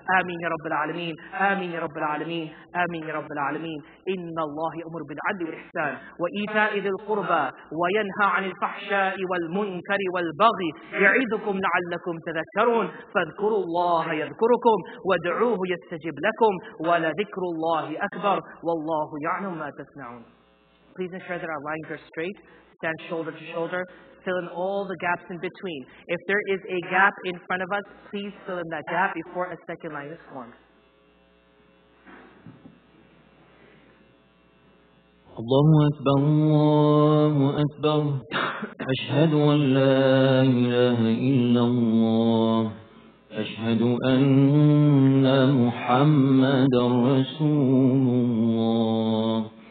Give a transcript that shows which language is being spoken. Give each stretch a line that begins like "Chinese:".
Arabic: آمين يا رب العالمين آمين يا رب العالمين آمين يا رب العالمين إن الله يأمر بالعدل والإحسان وإيتاء ذي القربى وينهى عن الفحشاء والمنكر والبغي يعظكم لعلكم تذكرون فاذكروا الله يذكركم وادعوه يستجب لكم ولذكر الله أكبر والله يعلم ما تصنعون.
English: Please ensure that our lines are straight. Stand shoulder to shoulder. Fill in all the gaps in between. If there is a gap in front of us, please fill in that gap before a second line is formed.
Arabic: الله أكبر الله أكبر أشهد أن لا إله إلا الله أشهد أن محمد رسول الله